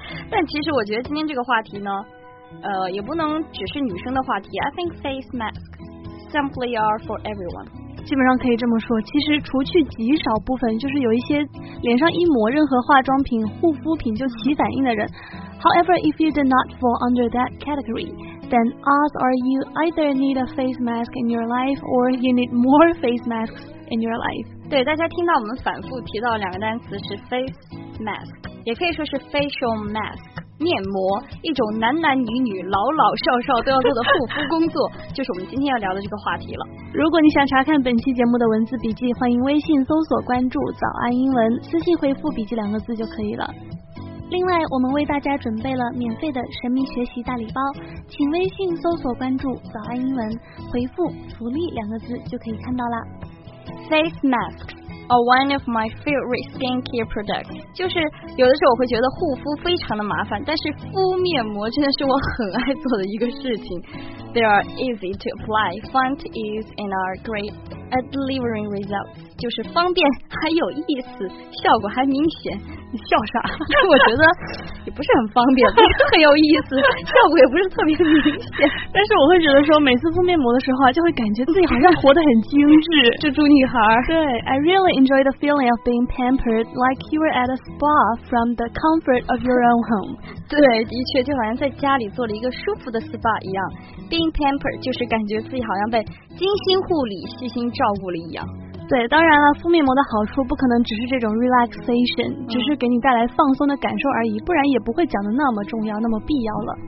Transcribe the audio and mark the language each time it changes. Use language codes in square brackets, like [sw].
[zh] 但其实我觉得今天这个话题呢，也不能只是女生的话题。 [en] I think face masks simply are for everyone. [zh] 基本上可以这么说，其实除去极少部分，就是有一些脸上一抹任何化妆品、护肤品就起反应的人。 [en] However, if you do not fall under that category, then odds are you either need a face mask in your life or you need more face masks in your life. [zh] 对，大家听到我们反复提到两个单词是 face mask, 也可以说是 facial mask。面膜，一种男男女女老老少少都要做的护肤工作，就是我们今天要聊的这个话题了。如果你想查看本期节目的文字笔记，欢迎微信搜索关注早安英文，私信回复笔记两个字就可以了。另外，我们为大家准备了免费的神秘学习大礼包，请微信搜索关注早安英文，回复福利两个字就可以看到了。 [en] Face maskOr one of my favorite skincare products. [zh] 就是有的时候我会觉得护肤非常的麻烦，但是敷面膜真的是我很爱做的一个事情。 [en] They are easy to apply, fun to use, and are great at delivering results. [zh] 就是方便还有意思，效果还明显。你笑啥？我觉得也不是很方便，不是很有意思，效果也不是特别明显。但是我会觉得说，每次敷面膜的时候，就会感觉自己好像活得很精致，蜘蛛女孩。 [en] 对 ，I really enjoy the feeling of being pampered like you were at a spa from the comfort of your own home. [zh] 对，的确，就好像在家里做了一个舒服的 spa 一样。 Being pampered 就是感觉自己好像被精心护理、细心照顾了一样。对，当然了，敷面膜的好处不可能只是这种 relaxation, 只是给你带来放松的感受而已，不然也不会讲得那么重要、那么必要了。